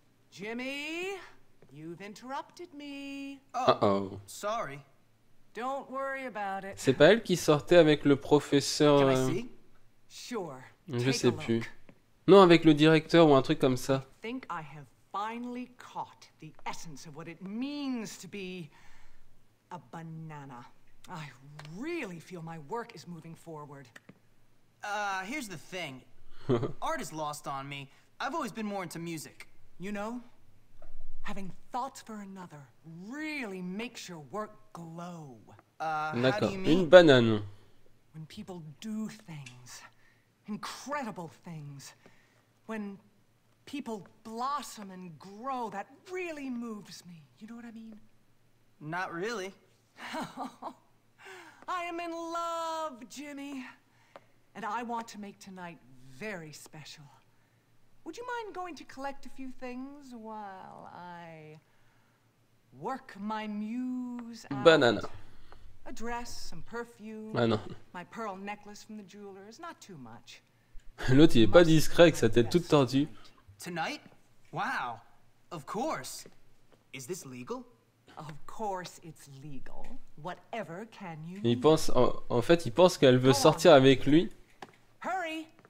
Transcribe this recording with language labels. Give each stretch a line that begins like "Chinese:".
English: Jimmy, you've interrupted me. Oh. Sorry. Don't worry about it.
French: C'est pas elle qui sortait avec le professeur.
English: Sure.
French: Je sais plus. Non, avec le directeur ou un truc comme ça.
English: I think I have finally caught the essence of what it means to be a banana. I really feel my work is moving forward. Here's the thing. Art is lost on me. I've always been more into music. You know, having thoughts for another really makes your work glow.
French: D'accord, une banane.
English: When people do things, incredible things, when people blossom and grow, that really moves me. You know what I mean? Not really. I am in love, Jimmy. And I want to make tonight very special. Would you mind going to collect a few things while I work my muse out? Banana. A dress, some perfume.
French: Ah non.
English: My pearl necklace from the jeweler is not too much.
French: L'autre, il est pas discret avec sa tête toute tordue.
English: Tonight? Wow. Of course. Is this legal? Of course it's legal. Whatever can you do?
French: Il pense en fait, il pense qu'elle veut sortir avec lui.
English: Hurry.